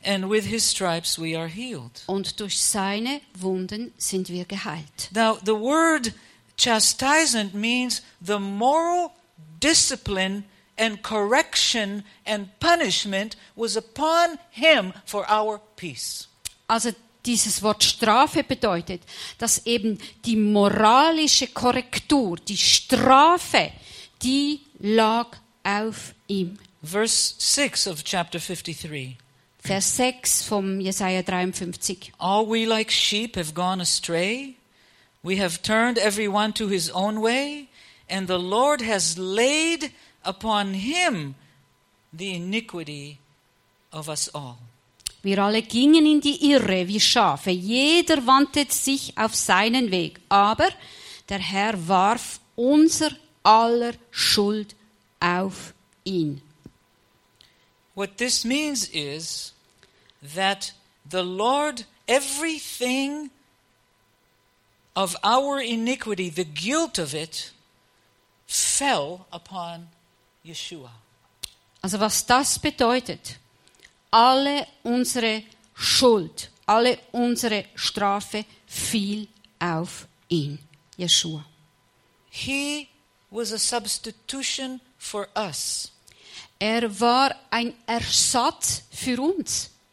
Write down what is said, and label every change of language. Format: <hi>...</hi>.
<en>And with his stripes we are healed.</en> <de>Und durch seine Wunden sind wir geheilt.</de> <en>Now the word chastisement means the moral discipline and correction and punishment was upon him for our peace.</en> <de>Also dieses Wort Strafe bedeutet, dass eben die moralische Korrektur, die Strafe, die lag auf ihm.</de> <en>Verse 6 of chapter 53.</en> <de>Vers 6 vom Jesaja 53.</de> <en>All we like sheep have gone astray. We have turned everyone to his own way. And the Lord has laid upon him the iniquity of us all.</en> <de>Wir alle gingen in die Irre wie Schafe. Jeder wandte sich auf seinen Weg. Aber der Herr warf unser aller Schuld auf ihn.</de> <en>What this means is that the Lord, everything of our iniquity, the guilt of it, fell upon Yeshua.</en> <de>Also was das bedeutet, alle unsere Schuld, alle unsere Strafe fiel auf ihn, Yeshua.</de> <en>He was a substitution for us.</en> <de>Er war ein Ersatz für uns.</de>